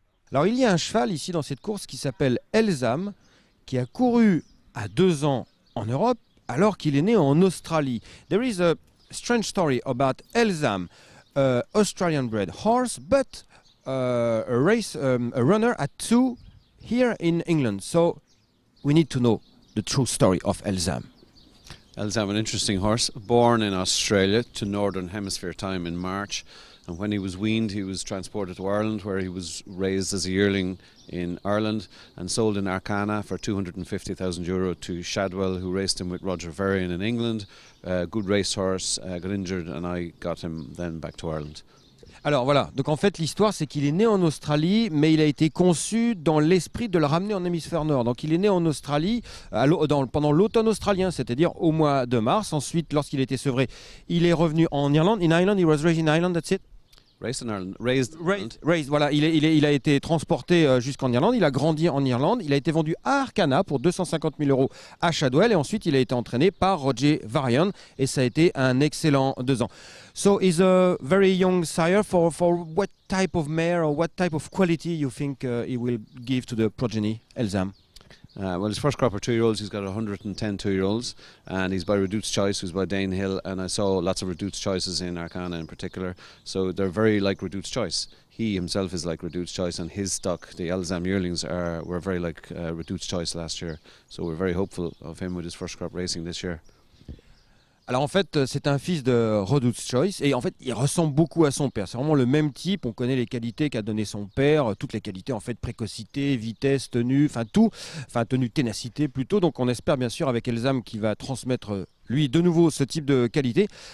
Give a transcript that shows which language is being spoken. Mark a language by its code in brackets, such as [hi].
[fr] Alors, il y a un cheval ici dans cette course qui s'appelle Elzaam, qui a couru à 2 ans en Europe alors qu'il est né en Australie. [en] There is a strange story about Elzaam, Australian bred horse, but a runner at 2 here in England. So we need to know the true story of Elzaam. Elzaam, an interesting horse, born in Australia to Northern Hemisphere time in March. And when he was weaned, he was transported to Ireland, where he was raised as a yearling in Ireland and sold in Arqana for €250,000 to Shadwell, who raced him with Roger Varian in England. Good racehorse, got injured, and I got him then back to Ireland. [fr] Alors voilà, donc en fait l'histoire c'est qu'il est né en Australie, mais il a été conçu dans l'esprit de le ramener en hémisphère nord. Donc il est né en Australie pendant l'automne australien, c'est-à-dire au mois de mars. Ensuite, lorsqu'il était sevré, il est revenu en Irlande. [en] In Ireland, he was raised in Ireland, that's it. Raised in Ireland. Raised. [fr] Raised, voilà, il a été transporté jusqu'en Irlande, il a grandi en Irlande, il a été vendu à Arqana pour 250 000 euros à Shadwell, et ensuite il a été entraîné par Roger Varian, et ça a été un excellent 2 ans. [en] So he's a very young sire. For what type of mare or what type of quality you think he will give to the progeny, Elzaam? Well, his first crop are 2 year olds. He's got 110 2 year olds, and he's by Redoute's Choice, who's by Dane Hill. And I saw lots of Redoute's Choices in Arqana in particular, so they're very like Redoute's Choice. He himself is like Redoute's Choice, and his stock, the Elzaam yearlings, were very like Redoute's Choice last year. So we're very hopeful of him with his first crop racing this year. [fr] Alors en fait, c'est un fils de Redoute's Choice, et en fait, il ressemble beaucoup à son père. C'est vraiment le même type, on connaît les qualités qu'a donné son père, toutes les qualités en fait, précocité, vitesse, tenue, enfin tout, enfin tenue, ténacité plutôt. Donc on espère bien sûr avec Elzaam qui va transmettre lui de nouveau ce type de qualité.